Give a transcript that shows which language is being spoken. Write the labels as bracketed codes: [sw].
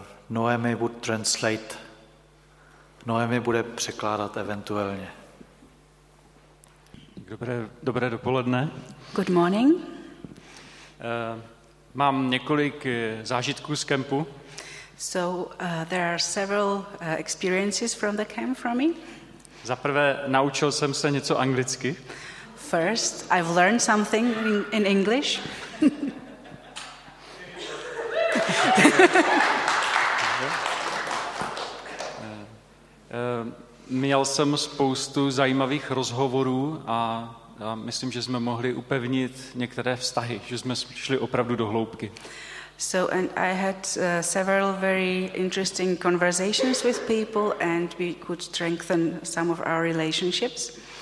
[en] Noemi would translate. [cs] Noemi bude překládat eventuálně. Dobré dopoledne. [en] Good morning. [cs] Mám několik zážitků z kempu. [en] So there are several experiences from the camp for me. [cs] Za prvé, naučil jsem se něco anglicky. [en] First, I've learned something in English. [cs] Měl jsem spoustu zajímavých rozhovorů a myslím, že jsme mohli upevnit některé vztahy, že jsme šli opravdu do hloubky. [en] So and I had several very interesting conversations with people and we could strengthen some of our relationships.